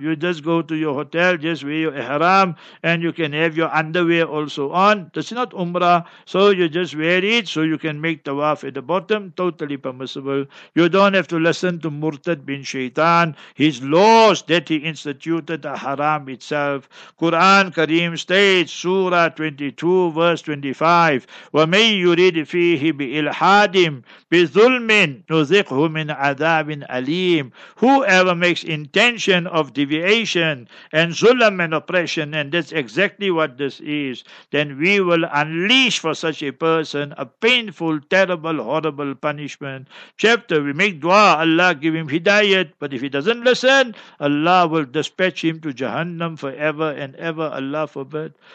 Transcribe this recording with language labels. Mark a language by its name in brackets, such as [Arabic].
[English] You just go to your hotel, just wear your Ihram, and you can have your underwear also on. This is not Umrah, so you just wear it so you can make tawaf at the bottom, totally permissible. You don't have to listen to Murtad bin Shaitan, his laws that he instituted are haram itself. Quran Kareem states, Surah 22 verse 25, [Arabic] وَمَنْ يُرِدْ فِيهِ بِإِلْحَادٍ بِظُلْمٍ نُذِقْهُ مِنْ عَذَابٍ أَلِيمٍ. [English] Whoever makes intention of deviation and zulm and oppression, and that's exactly what this is, then we will unleash for such a person a painful, terrible, horrible punishment. Chapter, we make dua, Allah give him hidayat, but if he doesn't listen, Allah will dispatch him to Jahannam forever and ever, Allah forbid.